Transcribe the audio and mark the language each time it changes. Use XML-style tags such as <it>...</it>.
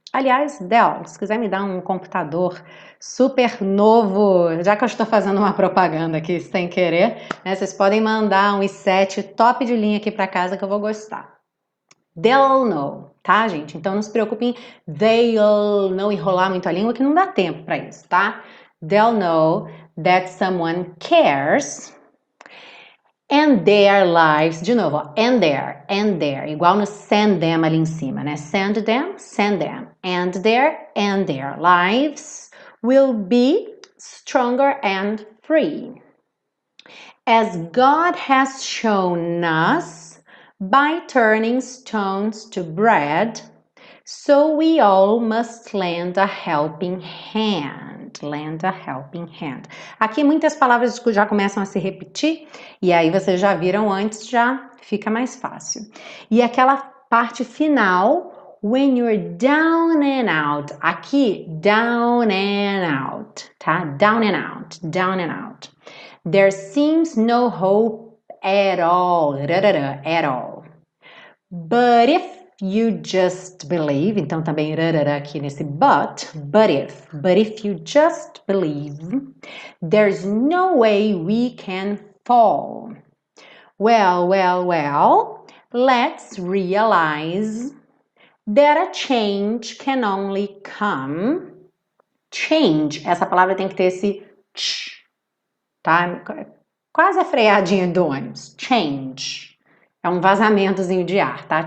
<pt>Aliás, Dell, se quiser me dar um computador super novo, já que eu estou fazendo uma propaganda aqui sem querer, né? Vocês podem mandar um i7 top de linha aqui para casa que eu vou gostar.</pt> <en>They'll know,</en> <pt>tá, gente? Então não se preocupem, they'll não enrolar muito a língua, que não dá tempo para isso, tá?</pt> <en>They'll know that someone cares. And their lives,</en> <pt>de novo, ó,</pt> <en>and their,</en> <pt>igual no</pt> <en>send them</en> <pt>ali em cima, né?</pt> <en>Send them, and their lives will be stronger and free. As God has shown us, by turning stones to bread, so we all must lend a helping hand. Lend a helping hand.</en> <pt>Aqui muitas palavras já começam a se repetir, e aí vocês já viram antes, já fica mais fácil. E aquela parte final,</pt> <en>when you're down and out.</en> <pt>Aqui,</pt> <en>down and out, tá? Down and out, down and out. There seems no hope at all. Rarara, at all. But if you just believe,</en> <pt>então também rarara aqui nesse</pt> <en>but if you just believe, there's no way we can fall. Well, let's realize that a change can only come.</en> <pt>Change, essa palavra tem que ter esse ch, tá? Quase a freadinha do ônibus. Change. É um vazamentozinho de ar, tá?</pt>